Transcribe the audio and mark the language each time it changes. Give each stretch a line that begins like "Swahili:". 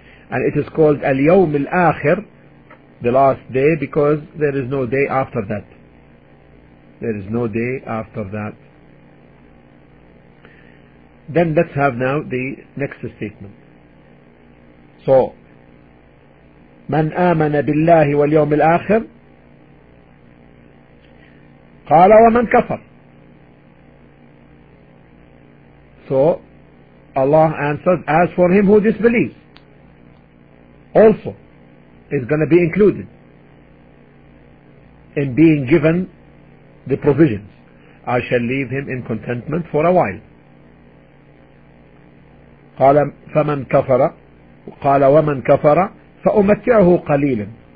English: And it is called Al-Yawm al-Akhir, the last day, because there is no day after that. There is no day after that. Then let's have now the next statement.
Arabic: So, من آمن بالله واليوم الآخر قال ومن كفر.
English: So, Allah answered, as for him who disbelieves, also is going to be included in being given the provisions. I shall leave him in contentment for a while.
Arabic: قال فمن كفر قال ومن كفر فأمتعه قليلا.